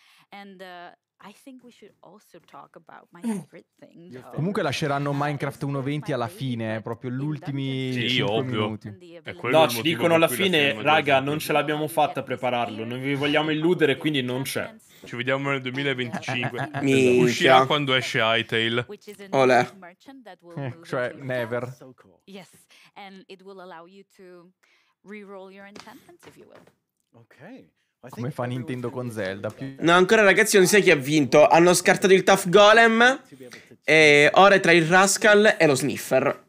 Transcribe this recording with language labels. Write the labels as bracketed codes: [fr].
[en] And I think we should also talk about my favorite thing. [it] Comunque lasceranno Minecraft 1.20 alla fine, proprio gli ultimi sì, 5 minuti. No, ci dicono alla fine, raga, non ce l'abbiamo fatta a prepararlo, non vi vogliamo illudere, quindi non c'è. Ci vediamo nel 2025. Uscirà quando esce Hytale. Olè. Cioè [en] never. Yes, and it will allow you to reroll your enchantments if you will. [it] Okay. Come fa Nintendo con Zelda? No, ancora ragazzi, non si sa chi ha vinto. Hanno scartato il Tough Golem. E ora è tra il Rascal e lo Sniffer.